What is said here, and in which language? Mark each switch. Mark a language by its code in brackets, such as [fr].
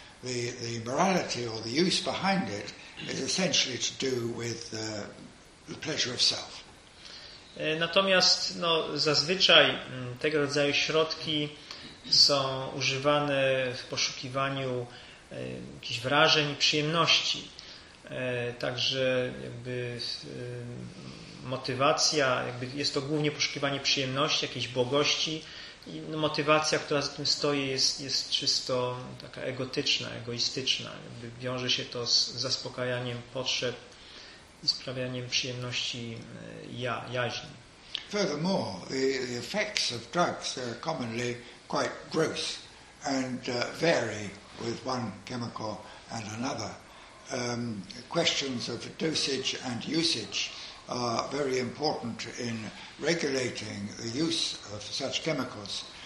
[en] The morality or the use behind it is essentially to do with the pleasure of self. [pl] Natomiast no, zazwyczaj tego rodzaju środki są używane w poszukiwaniu jakichś wrażeń i przyjemności. Także jakby motywacja, jakby jest to głównie poszukiwanie przyjemności, jakiejś błogości. I no, motywacja, która za tym stoi, jest czysto taka egotyczna, egoistyczna. Jakby wiąże się to z zaspokajaniem potrzeb i sprawianiem przyjemności jaźni. [en] Furthermore, the effects of drugs are commonly quite gross and vary with one chemical and another. Questions of dosage and usage are very important in regulating the use of such chemicals.